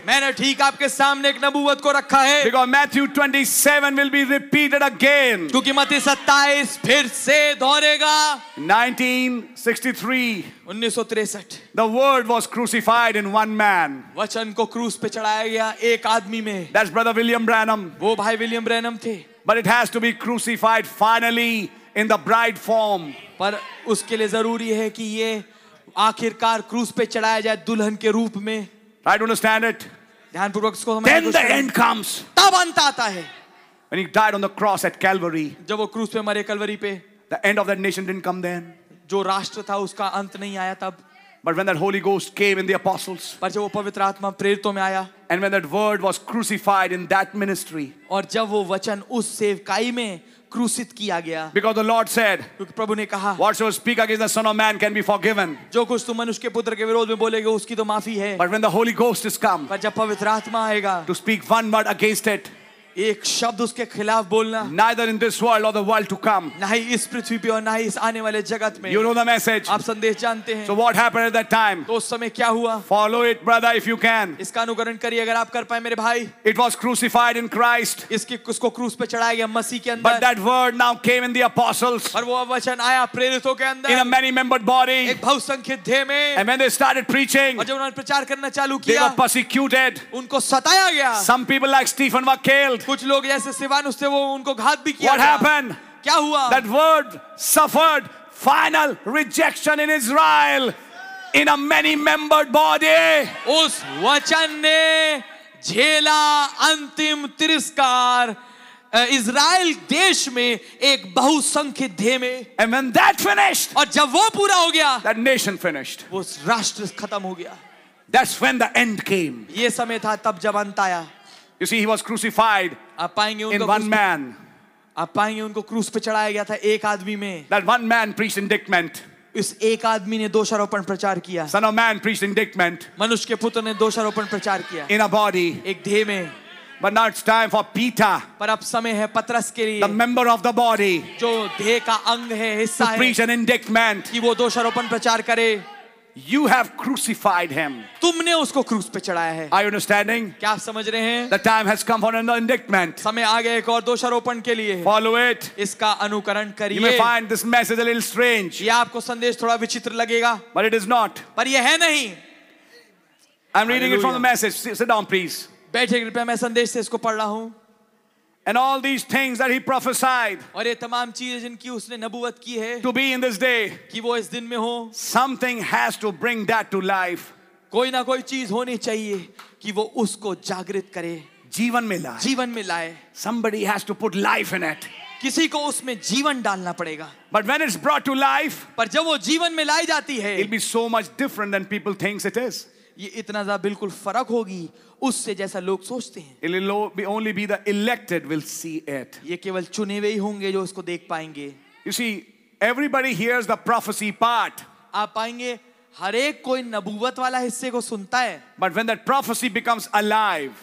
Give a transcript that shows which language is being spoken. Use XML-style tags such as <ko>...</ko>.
<hi>मैंने ठीक आपके सामने एक नबूवत को रखा है.</hi> <en>Because Matthew 27 will be repeated again.</en> <hi>क्योंकि मत्ती 27 फिर से दोहरेगा.</hi> <en>1963. The word was crucified in one man.</en> <hi>वचन को क्रूस पे चढ़ाया गया एक आदमी में.</hi> <en>That's Brother William Branham.</en> <hi>वो भाई विलियम ब्रैनम थे.</hi> <en>But it has to be crucified finally in the bride form.</en> <hi>पर उसके लिए जरूरी है कि ये आखिरकार क्रूस पे चढ़ाया जाए दुल्हन के रूप में.</hi> <en>Try to understand it.</en> <hi>ध्यानपूर्वक इसको समझो.</hi> <en>Then the end comes.</en> <hi>तब अंत आता है.</hi> <en>When he died on the cross at Calvary.</en> <hi>जब वो क्रूस पे मरे कलवरी पे.</hi> <en>The end of that nation didn't come then.</en> <hi>जो राष्ट्र था उसका अंत नहीं आया तब.</hi> <en>But when that Holy Ghost came in the apostles.</en> <hi>पर जब वो पवित्र आत्मा प्रेरितों में आया.</hi> <en>And when that word was crucified in that ministry.</en> <hi>और जब वो वचन उस सेवकाई में क्रूसित किया गया.</hi> <en>Because the Lord said.</en> <hi>क्योंकि प्रभु ने कहा.</hi> <en>Whatsoever speak against the Son of Man can be forgiven.</en> <hi>जो कुछ तू मनुष्य के पुत्र के विरोध में बोलेगा उसकी तो माफी है.</hi> <en>But when the Holy Ghost is come.</en> <hi>पर जब पवित्र आत्मा आएगा.</hi> <en>To speak one word against it.</en> <hi>एक शब्द उसके खिलाफ बोलना.</hi> <en>Neither in this world or the world to come.</en> <hi>ना ही इस पृथ्वी पे और ना ही इस आने वाले जगत में.</hi> <en>You know the message.</en> <hi>आप संदेश जानते हैं.</hi> <en>So what happened at that time?</en> <hi>तो उस समय क्या हुआ?</hi> <en>Follow it, brother, if you can.</en> <hi>इसका अनुकरण करिए अगर आप कर पाए मेरे भाई.</hi> <en>It was crucified in Christ.</en> <hi>इसकी उसको क्रूस पे चढ़ाया गया मसीह के अंदर.</hi> <en>But that word now came in the apostles.</en> <hi>और वो वचन आया प्रेरितों के अंदर.</hi> <en>In a many membered body.</en> <hi>एक बहुसंख्यक देह में.</hi> <en>And when they started preaching.</en> <hi>और जब उन्होंने प्रचार करना चालू किया.</hi> <en>They were persecuted.</en> <hi>उनको सताया गया.</hi> <en>Some people like Stephen were killed.</en> <hi>कुछ लोग जैसे सिवानुस थे वो उनको घात भी किया.</hi> <en>What happened?</en> <hi>क्या हुआ?</hi> <en>That word suffered final rejection in Israel in a many membered body.</en> <hi>उस वचन ने झेला अंतिम तिरस्कार इज़राइल देश में एक बहुसंख्यक देह में.</hi> <en>And when that finished,</en> <hi>और जब वो पूरा हो गया,</hi> <en>that nation finished,</en> <hi>वो राष्ट्र खत्म हो गया.</hi> <en>That's when the end came.</en> <hi>ये समय था तब जब अंत आया.</hi> <en>You see, he was crucified in one man.</en> <hi>आप पाएंगे उनको क्रूस पे चढ़ाया गया था एक आदमी में.</hi> <en>That one man preached indictment.</en> <hi>इस एक आदमी ने दोषारोपण प्रचार किया.</hi> <en>Son of man preached indictment.</en> <hi>मनुष्य के पुत्र ने दोषारोपण प्रचार किया.</hi> <en>In a body.</en> <hi>एक देह में.</hi> <en>But now it's time for Peter.</en> <hi>पर अब समय है पत्रस के लिए.</hi> <en>The member of the body.</en> <hi>जो देह का अंग है हिस्सा है.</hi> <en>To preach an indictment.</en> <hi>कि वो दोषारोपण प्रचार करे.</hi> <en>You have crucified him.</en> <hi>तुमने उसको क्रूस पे चढ़ाया है.</hi> <en>Are you understanding?</en> <hi>क्या आप समझ रहे हैं?</hi> <en>The time has come for another indictment.</en> <hi>समय आ गया एक और दोषारोपण के लिए.</hi> <en>Follow it.</en> <hi>इसका अनुकरण करिए.</hi> <en>You may find this message a little strange.</en> <hi>ये आपको संदेश थोड़ा विचित्र लगेगा.</hi> <en>But it is not.</en> <hi>पर ये है नहीं.</hi> <en>I'm reading it from the message. Sit down, please.</en> <hi>बैठे कृपया मैं संदेश से इसको पढ़ रहा हूँ.</hi> <en>And all these things that he prophesied.</en> <hi>और ये तमाम चीजें जिनकी उसने नबुवत की है.</hi> <en>To be in this day.</en> <hi>कि वो इस दिन में हो.</hi> <en>Something has to bring that to life.</en> <hi>कोई ना कोई चीज होनी चाहिए कि वो उसको जागृत करे. जीवन में लाए. जीवन में लाए.</hi> <en>Somebody has to put life in it.</en> <hi>किसी को उसमें जीवन डालना पड़ेगा.</hi> <en>But when it's brought to life.</en> <hi>पर जब वो जीवन में लाई जाती है.</hi> <en>It'll be so much different than people thinks it is.</en> <hi>ये इतना ज़्यादा बिल्कुल फर्क होगी उससे जैसा लोग सोचते हैं.</hi> <en>Only be the elected will see it.</en> <hi>ये केवल चुने हुए ही होंगे जो उसको देख पाएंगे.</hi> <en>You see, everybody hears the prophecy part.</en> <hi>आप पाएंगे हर एक कोई नबुवत वाला हिस्से को सुनता है.</hi> <en>But when that prophecy becomes alive.</en>